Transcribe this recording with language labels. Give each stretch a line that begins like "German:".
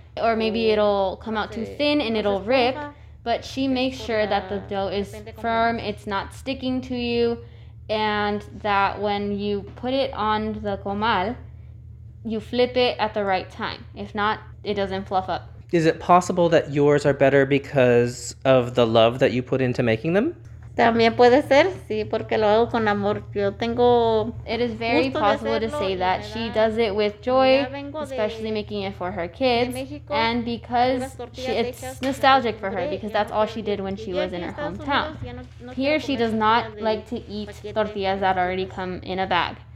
English: Or maybe it'll come out too thin and it'll rip, but she makes sure that the dough is firm, it's not sticking to you, and that when you put it on the comal, you flip it at the right time. If not, it doesn't fluff up. Is it possible that yours are better because of the love that you put into making them?
Spanish: También puede ser, sí, porque lo hago con amor. Yo tengo.
English: It is very possible to say that she does it with joy, especially making it for her kids, and because it's nostalgic for her, because that's all she did when she was in her hometown. Here, she does not like to eat tortillas that already come in a bag.